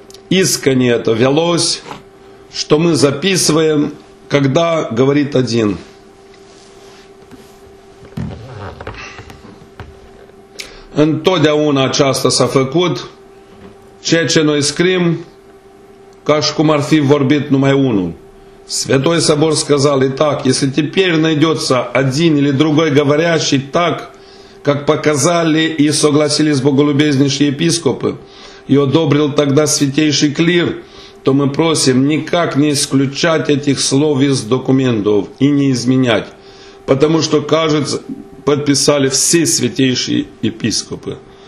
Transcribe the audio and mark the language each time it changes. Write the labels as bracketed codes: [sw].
[ru] Искренне это велось, что мы записываем, когда говорит один. [ro] Întotdeauna aceasta s-a făcut, ceea ce noi scrim, ca și cum ar fi vorbit numai unul. [ru] Святой Собор сказал и так, если теперь найдется один или другой говорящий так, как показали и согласились боголюбезнейшие епископы, и одобрил тогда святейший клир, то мы просим никак не исключать этих слов из документов и не изменять, потому что, кажется, подписали все святейшие епископы.